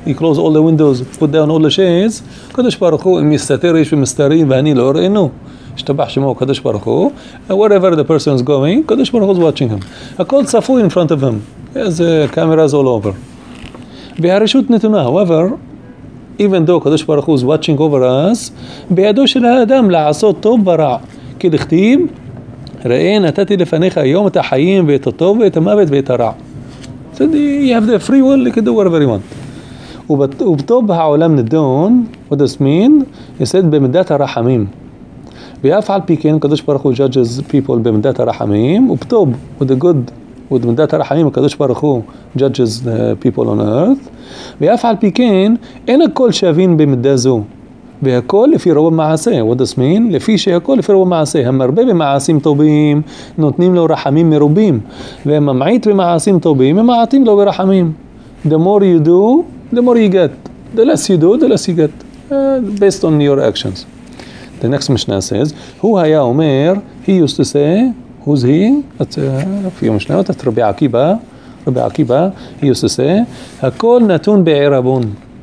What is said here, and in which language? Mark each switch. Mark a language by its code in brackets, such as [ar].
[en] You close all the windows, put down all the shades. HaKadosh Baruch Hu, [he] im yistaterish v'mistarim v'ani lor enu. [en] Ishtabach shemo HaKadosh Baruch Hu. Wherever the person is going, HaKadosh Baruch Hu is watching him. Hakol tzafu in front of him. He has cameras all over. However, even though Kadosh Baruch Hu is watching over us, [he] בידו של האדם לעשות טוב ורע, כי לכתיב, ראה נתתי לפניך היום את החיים ואת הטוב ואת המוות ואת הרע. [en] So you have the free will, you can do whatever you want. [he] ובטוב העולם נדון, [en] what does mean? He said, במידת הרחמים. [he] ואף על פי כן, [en] Kadosh Baruch Hu judges people במידת הרחמים, ובטוב, with a good with Midat HaRachamim, HaKadosh Baruch Hu judges the people on earth. [he] ויאף על פי כן, אין הכל שווין במידה זו. והכל לפי רוב המעשה. [en] What does mean? [he] לפי שהכל לפי רוב המעשה. המרבה במעשים טובים, נותנים לו רחמים מרובים. והממעיט במעשים טובים, ממעטים לו ברחמים. [en] The more you do, the more you get. The less you do, the less you get. Based on your actions. The next Mishnah says, [he] הוא היה אומר, [en] he used to say, who's he? That's a few Mishnayot. That's Rabbi Akiba. Rabbi Akiba, he used to say, [he] Hakol natun be'erabon.